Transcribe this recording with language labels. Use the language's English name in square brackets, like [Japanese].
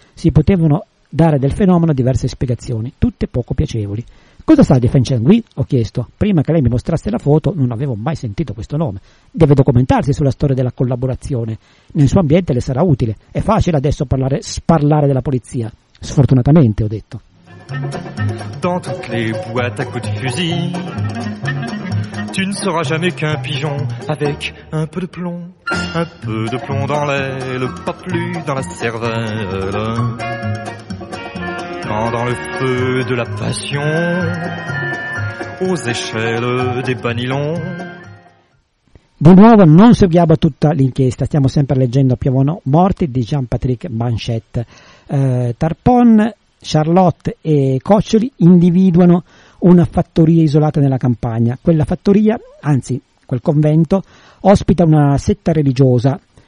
[Italian] Si potevano dare del fenomeno diverse spiegazioni, tutte poco piacevoli. Cosa sa di Fenchen Gui? Ho chiesto. Prima che lei mi mostrasse la foto non avevo mai sentito questo nome. Deve documentarsi sulla storia della collaborazione. Nel suo ambiente le sarà utile. È facile adesso sparlare della polizia. Sfortunatamente, ho detto. [French] Dans toutes les boîtes à coups de fusil, tu ne seras jamais qu'un pigeon avec un peu de plomb. Un peu de plomb dans l'aile, pas plus dans la cervelle. Dans le feu de la passion, aux échelles des banilons. [Italian] Di nuovo non seguiamo tutta l'inchiesta, stiamo sempre leggendo Piovono morti di Jean-Patrick Manchette. Tarpon, Charlotte e Coccioli individuano una fattoria isolata nella campagna. Quella fattoria, anzi quel convento, ospita una setta religiosa.